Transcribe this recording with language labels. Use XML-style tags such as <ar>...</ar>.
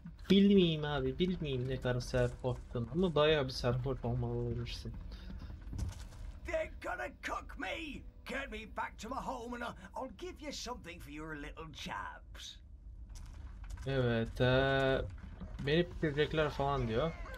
<tr>Bilmiyim abi, bilmiyim ne kadar sarhoştum ama bayağı bir sarhoş olmalıymışsın.</tr> <en>They're gonna cook me! Get me back to my home and I'll give you something for your little chaps.</en> <tr>Evet, beni pirecekler falan diyor.</tr>